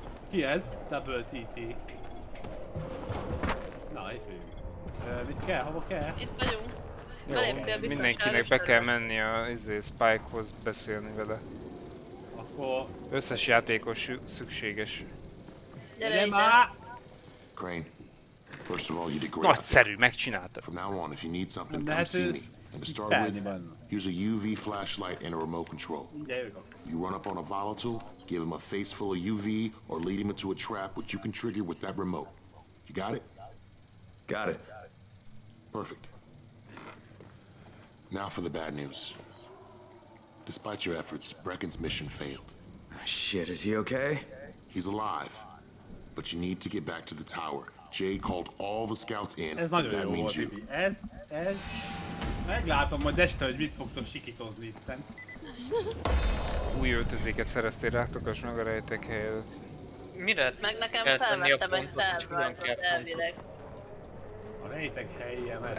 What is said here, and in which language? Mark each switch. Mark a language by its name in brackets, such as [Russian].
[Hungarian] Ki ez? Double TT. Nice. Mit kell? Hova kell? Itt vagyunk. Jó, mindenkinek be kell menni a izé, Spike-hoz beszélni vele. Akkor... összes játékos szükséges. Gyere ide! [English] Crane, first of all, you did great. [Hungarian] Nagyszerű, megcsináltad. [English] From now on, if you need something, come see me. And to start with, use a UV flashlight and a remote control. You run up on a volatile, give him a face full of UV, or lead him into a trap which you can trigger with that remote. You got it? Got it. Perfect. Now for the bad news. Despite your efforts, Brecken's mission failed. Oh, shit, is he okay? He's alive. But you need to get back to the tower. Jay called all the scouts in. [Hungarian] Ez nagyon jó volt, Bibi. Ez... meglátom majd este, hogy mit fogtok sikítozni itten. Új öltözéket szereztél, rátokass meg a rejtek helyet. Mire? Meg nekem felvettem egy felvázat elvileg. A rejtek helye, mert...